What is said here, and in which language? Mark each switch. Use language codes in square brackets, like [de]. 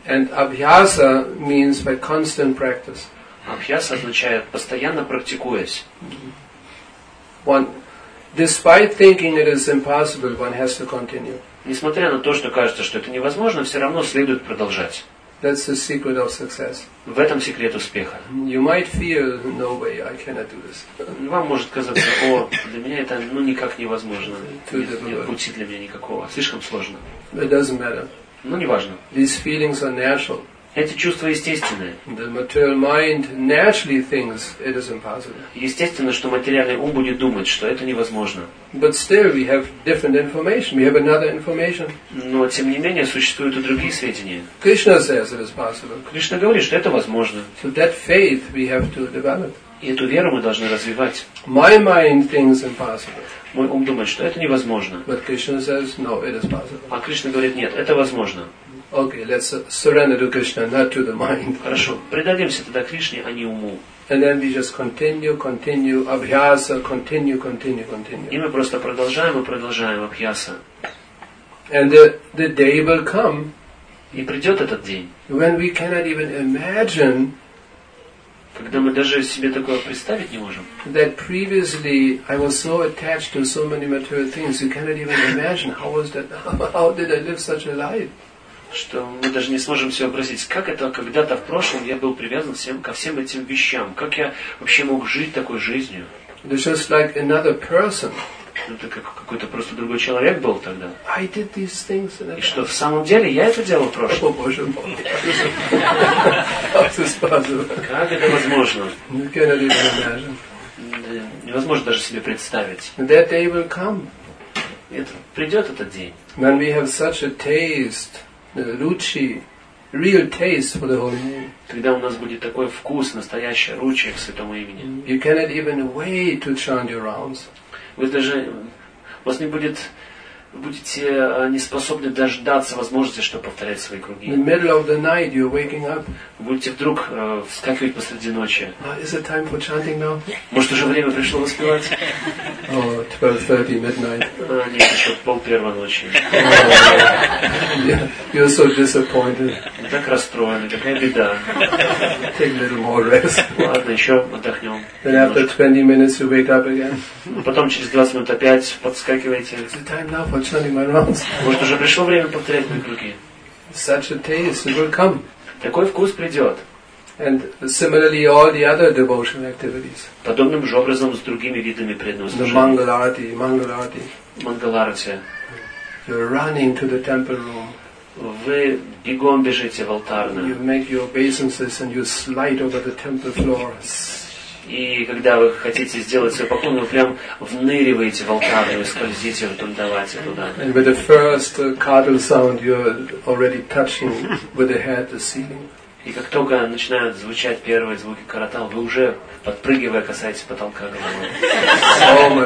[en] And abhyasa means by constant practice. [ru] Abhyasa означает постоянно практикуясь. [en] Mm-hmm. One, despite thinking it is impossible, one has to continue. [ru] Несмотря на то, что кажется, что это невозможно, все равно следует продолжать. [en] That's the secret of success. [ru] В этом секрет успеха. [en] You might feel, no way, I cannot do this. [ru] Вам может казаться, о, для меня это ну никак невозможно. Нет пути для меня никакого. Слишком сложно. [en] It doesn't matter. [ru] Ну, не важно. [en] These feelings are natural. [ru] Это чувство естественное. [en] The material mind naturally thinks it is impossible. [ru] Естественно, что материальный ум будет думать, что это невозможно. [en] But still we have different information. We have another information. [ru] Но тем не менее существуют и другие сведения. [en] Krishna says it is possible. [ru] Кришна говорит, что это возможно. [en] So that faith we have to develop. [ru] И эту веру мы должны развивать. [en] My mind thinks impossible. [ru] Мой ум думает, что это невозможно. [en] But Krishna says, no, it is possible. [ru] А Кришна говорит, нет, это возможно. [en] Okay, let's surrender to Krishna, not to the mind. [ru] Хорошо, предадимся тогда Кришне, а не уму. [en] And then we just continue, abhyasa, continue. [ru] И мы просто продолжаем абхьяса. [en] And the day will come. [ru] И придет этот день. [en] When we cannot even imagine. [ru] Когда мы даже себе такое представить не можем. [en] That previously I was so attached to so many material things, you cannot even imagine how was that, how did I live such a life. [ru] Что мы даже не сможем себе вообразить, как это когда-то в прошлом я был привязан всем, ко всем этим вещам, как я вообще мог жить такой жизнью. [en] It's just like another person. [ru] Это как какой-то просто другой человек был тогда. [en] I did these things in the past. [ru] И что в самом деле я это делал в прошлом? О Боже мой! Как это возможно? [en] You cannot even imagine. [ru] Невозможно даже себе представить. [en] That day will come. [ru] Это придет этот день. [en] When we have such a taste. Ручи, real taste for the holy name. [ru] Когда у нас будет такой вкус, настоящая ручи к святому имени. [en] You cannot even wait to chant your rounds. [ru] Вы даже, вас не будет, будете не способны дождаться возможности, чтобы повторять свои круги. [en] In the middle of the night, you're waking up. [ru] Вы будете вдруг вскакивать посреди ночи. [en] Is it time for chanting now? [ru] Может, уже время пришло воспевать? [en] Oh, 12:30, midnight. [ru] Нет, еще полпервой ночи. [en] You're so disappointed. [ru] Так расстроены, какая беда. [en] Take a little more rest. [ru] Ладно, еще отдохнем. [en] Then after 20 minutes, you wake up again. [ru] Потом через 20 минут опять подскакиваете. [en] Is it time now for chanting my rounds? [ru] Может, уже пришло время повторять мои круги? [en] Such a taste, it will come. [ru] Такой вкус придет. [en] And similarly, all the other devotional activities. [ru] Подобным же образом с другими видами преданного служения. [en] The Mangalarti. Mangalarti. You're running to the temple room. [ru] Вы бегом бежите в алтарную. [en] You make your obeisances and you slide over the temple floor. [ru] И когда вы хотите сделать свой поклон, вы прям вныриваете в алтарную, скользите в дундавате туда. [en] And with the first cuddle sound, you're already touching with the head the ceiling. [ru] И как только начинают звучать первые звуки каратал, вы уже, подпрыгивая, касаетесь потолка головой.